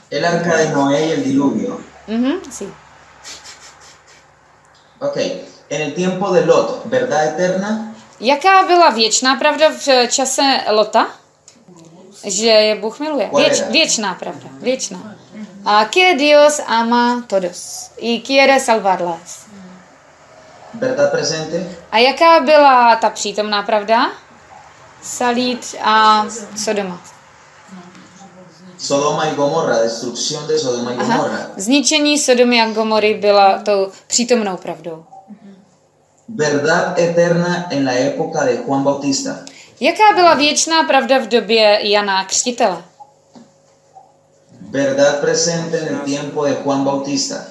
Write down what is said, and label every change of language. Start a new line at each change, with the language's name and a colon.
Spanish: El arca de Noé y el diluvio. Sí. Okay. En el tiempo de Lot, ¿verdad eterna?
Czech: Jaká byla věčná pravda v čase Lota? Že je Bůh miluje. Věčná pravda. Věčná.
Spanish: A que Dios ama todos y quiere salvarlas. ¿Verdad presente?
Czech: A jaká byla ta přítomná pravda? Salit a Sodoma.
Spanish: Sodoma y Gomorra, destrucción de Sodoma y Gomorra.
Czech: Zničení Sodomy a Gomory byla tou přítomnou pravdou.
Spanish: Verdad eterna en la época de Juan Bautista.
Czech: Jaká byla věčná pravda v době Jana Křtitele?
Spanish: Verdad presente en el tiempo de Juan Bautista.